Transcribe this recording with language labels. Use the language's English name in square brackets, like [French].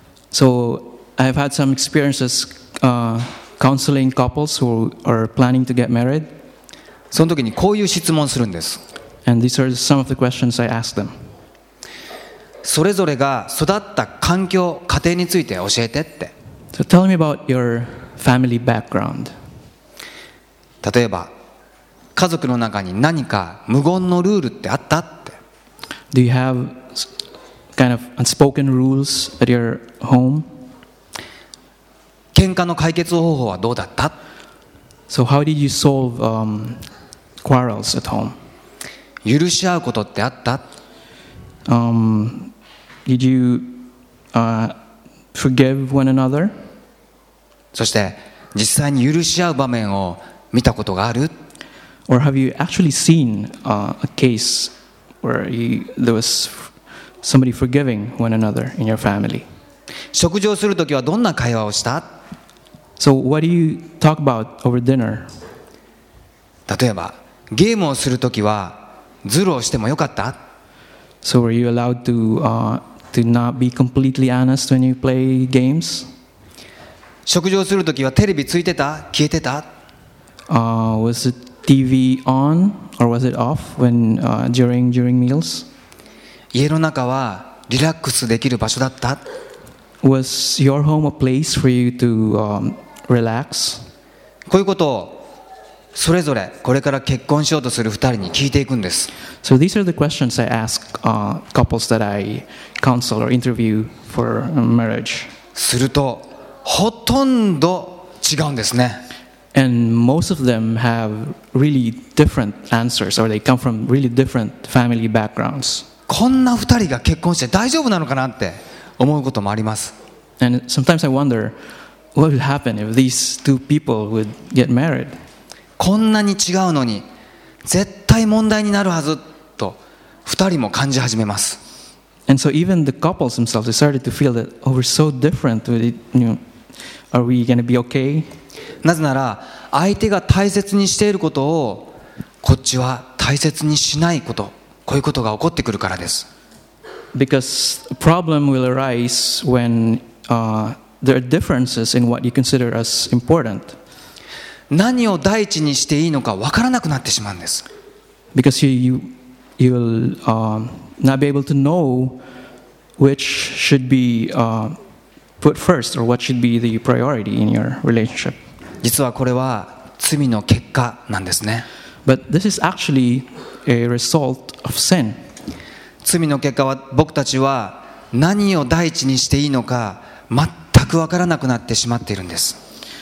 [English] So,I've had some experiences counseling couples who are planning to get married. [Japanese] その時にこういう質問するんです。 [English] And these are some of the questions I ask them. [Japanese] それぞれが育った環境、家庭について教えてって。 [English] So tell me about your family background. [Japanese] 例えば、家族の中に何か無言のルールってあったって。 [English] Do you have kind of unspoken rules at your home? [Japanese] 喧嘩の解決方法はどうだった? [English] So how did you solve quarrels at home? [Japanese] 許し合うことってあった? [English] Did you forgive one another? [Japanese] そして実際に許し合う場面を見たことがある？ [English] Or have you actually seen a case where there was somebody forgiving one another in your family? [Japanese] 食事をするときはどんな会話をした？ [English] So what do you talk about over dinner? [Japanese] 例えばゲームをするときはズルをしてもよかった？ [English] So were you allowed to not be completely honest when you play games? [Japanese] 食事をするときはテレビついてた？消えてた？ [English] Was the TV on or was it off when during meals? [Japanese] 家の中はリラックスできる場所だった？ [English] Was your home a place for you to relax? [Japanese] こういうことをそれぞれこれから結婚しようとする2人に聞いていくんです。 [English] So these are the questions I ask couples that I counsel or interview for marriage. [Japanese] するとほとんど違うんですね。 [English] And most of them have really different answers, or they come from really different family backgrounds. [Japanese] こんな2人が結婚して大丈夫なのかなって思うこともあります。 [English] And sometimes I wonder what would happen if these two people would get married. [Japanese] こんなに違うのに絶対問題になるはずと2人も感じ始めます。 [English] And so even the couples themselves started to feel that oh, we're so different. Are we going to be okay? [Japanese] なぜなら相手が大切にしていることをこっちは大切にしないこと、こういうことが起こってくるからです。 [English] Because a problem will arise when there are differences in what you consider as important. [Japanese] 何を第一にしていいのか分からなくなってしまうんです。 [English] Because you'll not be able to know which should be put first or what should be the priority in your relationship. [Japanese] 実はこれは罪の結果なんですね。 [English] But this is actually a result of sin. [Japanese] 罪の結果は僕たちは何を第一にしていいのか全く分からなくなってしまっているんです。